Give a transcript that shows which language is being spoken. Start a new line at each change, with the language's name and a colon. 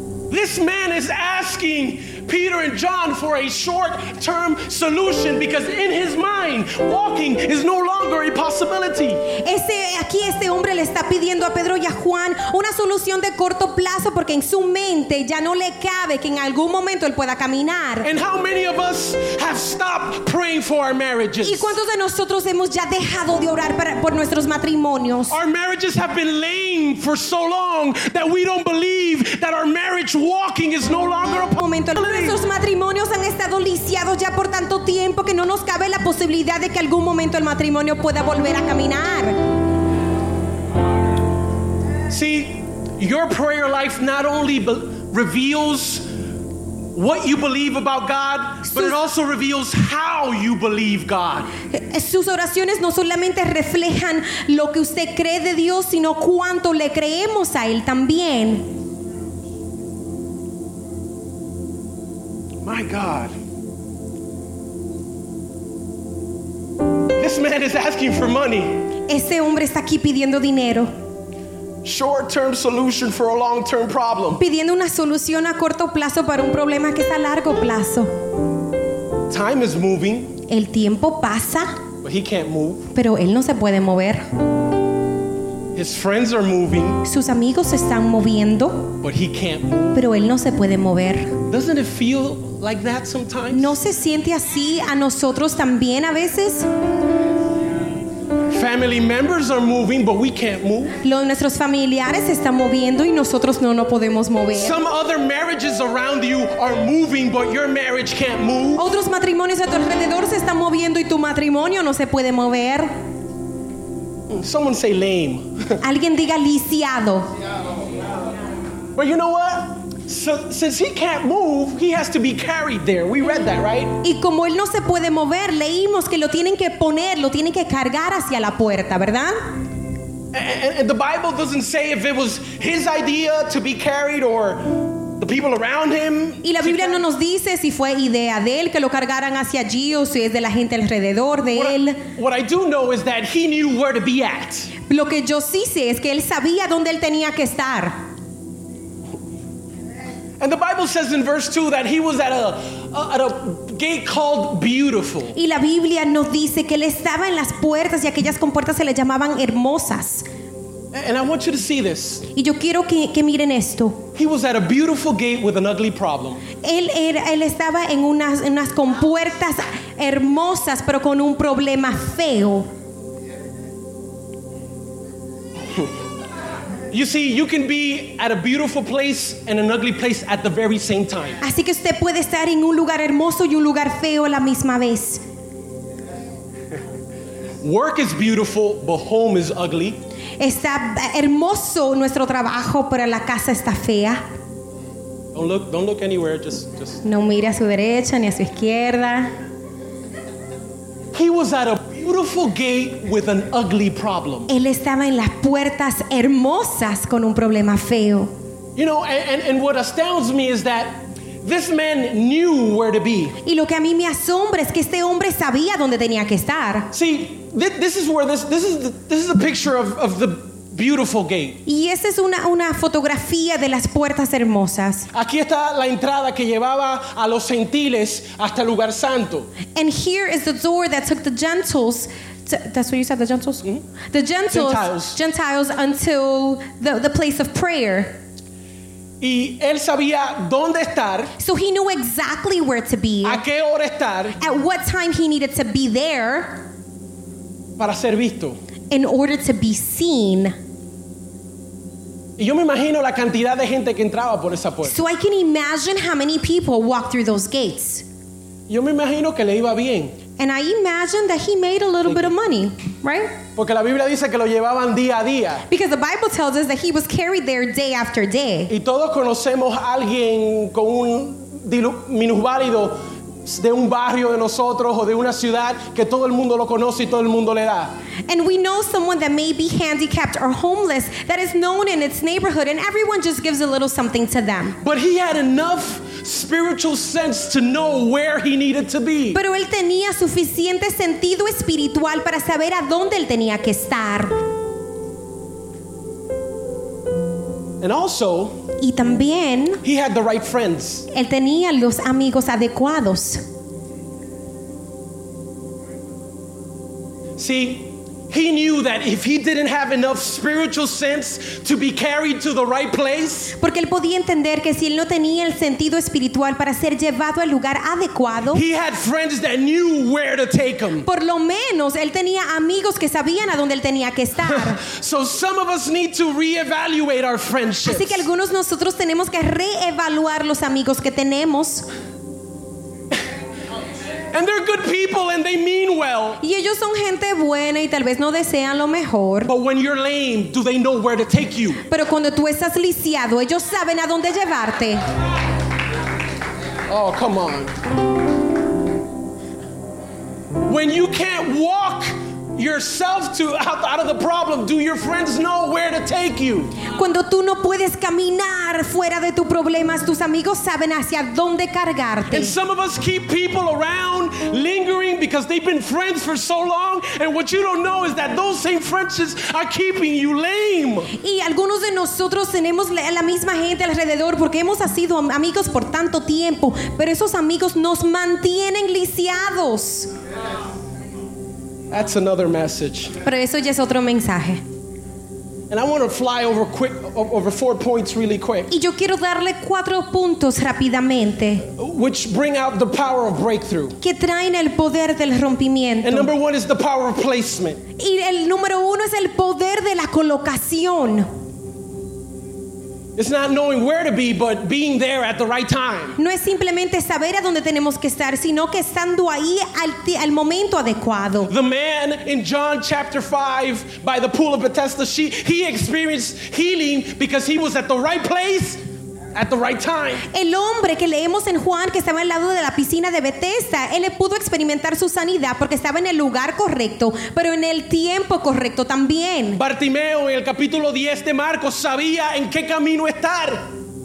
English: This man is asking Peter and John for a short-term solution because in his mind walking is no longer a possibility.
Spanish: Este hombre le está pidiendo a Pedro y a Juan una solución de corto plazo porque en su mente ya no le cabe que en algún momento él pueda caminar.
English: And how many of us have stopped praying for our marriages?
Spanish: ¿Y cuántos de nosotros hemos ya dejado de orar por nuestros matrimonios?
English: Our marriages have been lame for so long that we don't believe that our marriage walking is no longer a possibility.
Spanish: Nuestros matrimonios han estado lisiados ya por tanto tiempo que no nos cabe la posibilidad de que algún momento el matrimonio pueda volver a caminar.
English: See, your prayer life not only reveals what you believe about God, but it also reveals how you believe God.
Spanish: Sus oraciones no solamente reflejan lo que usted cree de Dios, sino cuánto le creemos a él también.
English: My God. This man is asking for money.
Spanish: Ese hombre está aquí pidiendo dinero.
English: Short-term solution for a long-term problem.
Spanish: Pidiendo una solución a corto plazo para un problema que está a largo plazo.
English: Time is moving.
Spanish: El tiempo pasa.
English: But he can't move.
Spanish: Pero él no se puede mover.
English: His friends are moving.
Spanish: Sus amigos se están moviendo.
English: But he can't move.
Spanish: Pero él no se puede mover.
English: Doesn't it feel like that sometimes?
Spanish: ¿No se siente así a nosotros también a veces?
English: Family members are moving, but we can't move.
Spanish: Los nuestros familiares están moviendo y nosotros no podemos mover.
English: Some other marriages around you are moving, but your marriage can't move.
Spanish: Otros matrimonios a tu alrededor se están moviendo y tu matrimonio no se puede mover.
English: Someone say lame.
Spanish: Alguien diga lisiado.
English: But you know what? So, since he can't move, he has to be carried there. We read that, right?
Spanish: Y como él no se puede mover, leímos que lo tienen que poner, lo tienen que cargar hacia la puerta, ¿verdad?
English: And the Bible doesn't say if it was his idea to be carried or the people around him.
Spanish: Y la Biblia no nos dice si fue idea de él que lo cargaran hacia allí o si es de la gente alrededor de él.
English: What I do know is that he knew where to be at.
Spanish: Lo que yo sí sé es que él sabía dónde él tenía que estar.
English: And the Bible says in verse 2 that he was at a gate called Beautiful.
Spanish: Y la Biblia nos dice que él estaba en las puertas y aquellas compuertas se le llamaban hermosas.
English: And I want you to see this.
Spanish: Y yo quiero que miren esto.
English: He was at a beautiful gate with an ugly problem.
Spanish: Él estaba en unas compuertas hermosas, pero con un problema feo.
English: You see, you can be at a beautiful place and an ugly place at the very same time.
Spanish: Así que usted puede estar en un lugar hermoso y un lugar feo a la misma vez.
English: Work is beautiful, but home is ugly.
Spanish: Está hermoso nuestro trabajo, pero la casa está fea.
English: Don't look anywhere, just.
Spanish: No mire a su derecha ni a su izquierda.
English: He was at a beautiful gate with an ugly problem.
Spanish: Él estaba en las puertas hermosas con un problema feo.
English: You know, and what astounds me is that this man knew where to be.
Spanish: Y lo que a mí me asombra es que este hombre sabía dónde tenía que estar.
English: See, this is a picture of the beautiful gate.
Spanish: Y esa es una fotografía de las puertas hermosas. Aquí está la entrada que llevaba a los gentiles hasta el lugar santo.
English: And here is the door that took the gentiles. That's what you said, the gentiles. Mm-hmm. The gentiles until the place of prayer.
Spanish: Y él sabía dónde estar.
English: So he knew exactly where to be.
Spanish: A qué hora estar.
English: At what time he needed to be there.
Spanish: Para ser visto.
English: In order to be seen.
Spanish: Y yo me imagino la cantidad de gente que entraba por esa puerta.
English: So I can imagine how many people walked through those gates.
Spanish: Yo me imagino que le iba bien.
English: And I imagine that he made a little bit of money, right?
Spanish: Porque la Biblia dice que lo llevaban día a día.
English: Because the Bible tells us that he was carried there day after day.
Spanish: Y todos conocemos a alguien con un minusválido de un barrio de nosotros o de una ciudad que todo el mundo lo conoce y todo el mundo le da.
English: And we know someone that may be handicapped or homeless that is known in its neighborhood and everyone just gives a little something to them. But he had enough spiritual sense to know where he needed to be.
Spanish: Pero él tenía suficiente sentido espiritual para saber a dónde él tenía que estar.
English: And also,
Spanish: y también,
English: he had the right friends.
Spanish: Él tenía los amigos adecuados.
English: See, he knew that if he didn't have enough spiritual sense to be carried to the right place,
Spanish: porque él podía entender que si él no tenía el sentido espiritual para ser llevado al lugar adecuado,
English: he had friends that knew where to take him.
Spanish: Por lo menos él tenía amigos que sabían a dónde él tenía que estar.
English: So some of us need to reevaluate our friendships.
Spanish: Así que algunos nosotros tenemos que reevaluar los amigos que tenemos.
English: And they're good people and they mean well.
Spanish: Y ellos son gente buena y tal vez no desean lo mejor.
English: But when you're lame, do they know where to take you?
Spanish: Pero cuando tú estás lisiado, ellos saben a dónde llevarte.
English: Oh, come on. When you can't walk yourself to out of the problem, do your friends know where to take you?
Spanish: Cuando tú no puedes caminar fuera de tu problema, tus amigos saben hacia dónde cargarte.
English: And some of us keep people around lingering because they've been friends for so long, and what you don't know is that those same friendships are keeping you lame.
Spanish: Y algunos de nosotros tenemos la misma gente alrededor porque hemos sido amigos por tanto tiempo, pero esos amigos nos mantienen lisiados.
English: That's another message.
Spanish: Pero eso ya es otro mensaje.
English: And I want to fly over quick over 4 points really quick.
Spanish: Y yo quiero darle 4 puntos rápidamente.
English: Which bring out the power of breakthrough.
Spanish: Que traen el poder del rompimiento.
English: And number one is the power of placement.
Spanish: Y el número uno es el poder de la colocación.
English: It's not knowing where to be, but being there at the right time.
Spanish: No es simplemente saber a dónde tenemos que estar, sino que estando ahí al momento adecuado.
English: The man in John chapter 5 by the pool of Bethesda, he experienced healing because he was at the right place at the right time.
Spanish: El hombre que leemos en Juan que estaba al lado de la piscina de Bethesda, él pudo experimentar su sanidad porque estaba en el lugar correcto, pero en el tiempo correcto también. Bartimeo en el capítulo 10 de Marcos sabía en qué camino estar.